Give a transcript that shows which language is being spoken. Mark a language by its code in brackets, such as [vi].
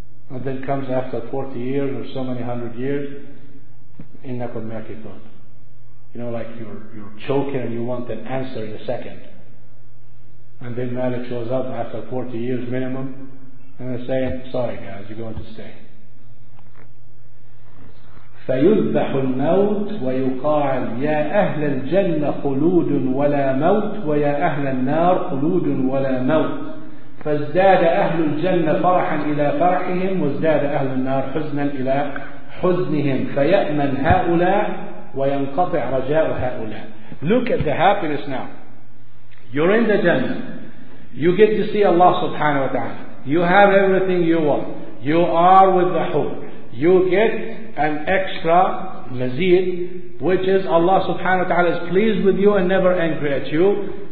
[en] And then comes after 40 years or so many hundred years, [ar] إِنَّكُمْ مَاكِثُونَ. [en] You know, like you're choking and you want an answer in a second. And then Malik shows up after 40 years minimum, and they say, sorry guys, you're going to stay. [ar] فيذبح الموت ويقال يا أهل الجنة خلود ولا موت ويا أهل النار خلود ولا موت فازداد أهل الجنة فرحا إلى فرحهم وازداد أهل النار حزنا إلى حزنهم فيأمن هؤلاء وينقطع رجاء هؤلاء. [en] Look at the happiness now. You're in the Jannah. You get to see Allah subhanahu wa ta'ala. You have everything you want. You are with the hur. You get an extra mazid, which is Allah subhanahu wa ta'ala is pleased with you and never angry at you.